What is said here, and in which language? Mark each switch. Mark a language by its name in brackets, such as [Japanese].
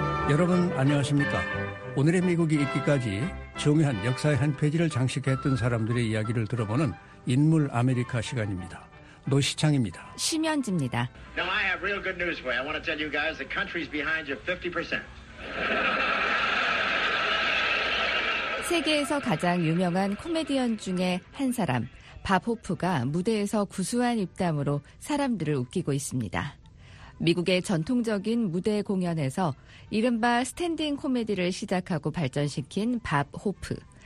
[Korean] 여러분 안녕하십니까? 오늘의 미국이 있기까지 중요한 역사의 한 페이지를 장식했던 사람들의 이야기를 들어보는 인물 아메리카 시간입니다. 노시창입니다. 심현지입니다. [English] Now I have real good news for you. I want to tell you guys the country's behind you 50%. [Korean] 세계에서 가장 유명한 코미디언 중에 한 사람, 밥 호프가 무대에서 구수한 입담으로 사람들을 웃기고 있습니다. 미국의 전통적인 무대 공연에서 이른바 스탠딩 코미디를 시작하고 발전시킨 밥 호프.